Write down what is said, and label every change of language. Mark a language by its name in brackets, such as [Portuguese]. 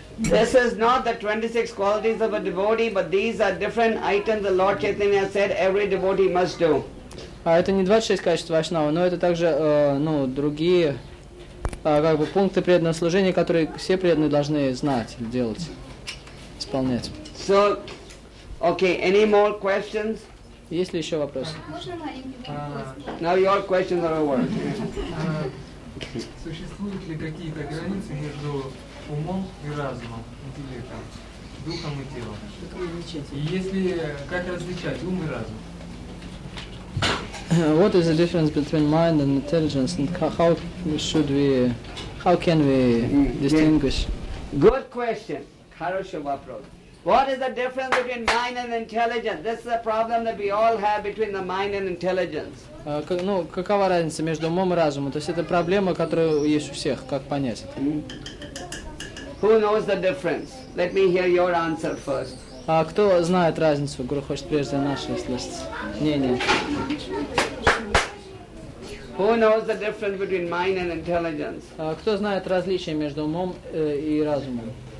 [English] This is not the 26 qualities of a devotee, but these are different items that Lord Chaitanya said every devotee must do. [Russian] Это не 26 качеств вайшнава, но это также другие пункты преданного служения, которые все преданные должны знать, делать, исполнять. [English] So, okay, any more questions? [Russian] Есть ли еще вопросы? Можно маленький вопрос? [English] Now your questions are over. [Russian] Существуют ли какие-то границы между умом и разумом, интеллектом, духом и телом? И если, как различать ум и разум? [English] What is the difference between mind and intelligence, and how can we distinguish? Good question. [Russian] Хороший вопрос. [English] What is the difference between mind and intelligence? This is a problem that we all have between the mind and intelligence. [Russian] Какова разница между умом и разумом? То есть это проблема, которая есть у всех. Как понять это? [English] Who knows the difference? Let me hear your answer first. [Russian] Кто знает разницу? Гуру хочет прежде нашего слушать мнение. [English] Who knows the difference between mind and intelligence? [Russian] Кто знает различие между умом и разумом?